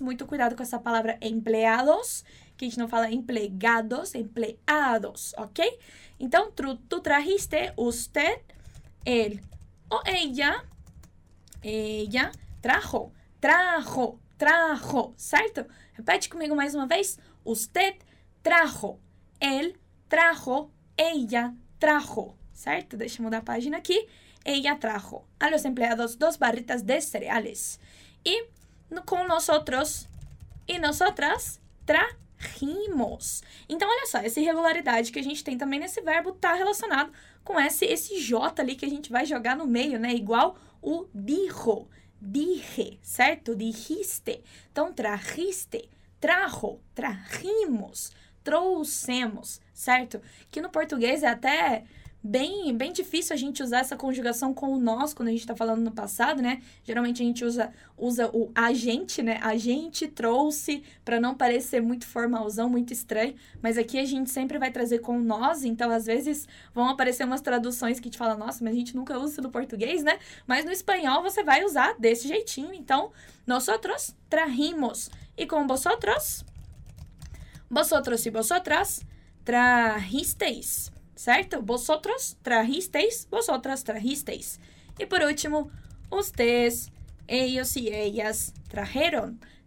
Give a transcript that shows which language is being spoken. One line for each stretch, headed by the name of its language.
Portuguese: Muito cuidado com essa palavra empleados, que a gente não fala empregados, empleados, ok?
Spanish: Então, tu trajiste, usted, él o ella, ella trajo, certo?
Portuguese: Repete comigo mais uma vez.
Spanish: Usted trajo, él trajo, ella trajo, certo?
Portuguese: Deixa eu mudar a página aqui.
Spanish: Ella trajo a los empleados dos barritas de cereales.
Portuguese: E com
Spanish: nosotros e nosotras trajimos.
Portuguese: Então, olha só, essa irregularidade que a gente tem também nesse verbo está relacionado com esse J ali que a gente vai jogar no meio, né? Igual o
Spanish: dijo, dije,
Portuguese: certo? Dijiste. Então,
Spanish: trajiste, trajo, trajimos,
Portuguese: trouxemos, certo? Que no português é até bem difícil a gente usar essa conjugação com o nós quando a gente está falando no passado, né? Geralmente a gente usa o a gente, né? A gente trouxe, para não parecer muito formalzão, muito estranho. Mas aqui a gente sempre vai trazer com o nós, então às vezes vão aparecer umas traduções que te falam, nossa, mas a gente nunca usa no português, né? Mas no espanhol você vai usar desse jeitinho. Então,
Spanish: nosotros trajimos.
Portuguese: E com vosotros?
Spanish: Vosotros e vosotras trajisteis. Certo? Vosotros trajisteis, vosotras trajisteis. E por último, ustedes, ellos y ellas trajeron.